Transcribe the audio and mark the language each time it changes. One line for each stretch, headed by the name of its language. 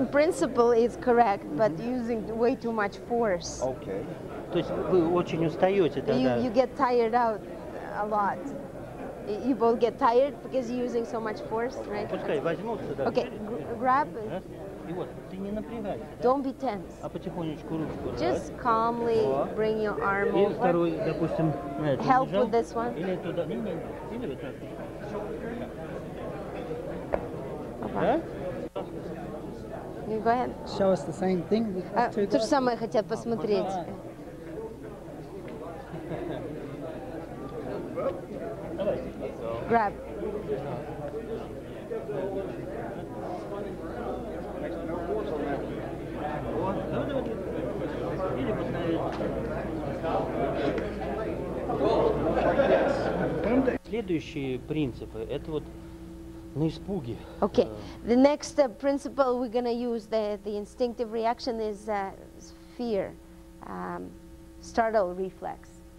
English: in principle it's correct, but using way too much force. Okay.
Russian: То есть вы очень устаете тогда.
English: You get tired out a lot. You both get tired because you're using so much force, okay. Right?
Russian: Пускай возьмут сюда.
English: Okay, grab.
Russian: И вот, ты не напрягайся.
English: Don't be tense.
Russian: А потихонечку руку.
English: Just calmly bring your arm over.
Russian: И второй, допустим, этот.
English: Help
Russian: лежал.
English: With this one.
Russian: Или туда, или вот так. Да?
English: Go ahead. Show us the same thing.
Russian: То же самое хотят посмотреть.
English: Grab.
Russian: Следующие принципы – это вот на испуге.
English: Okay. The next principle we're gonna use, the instinctive reaction, is fear, startle reflex.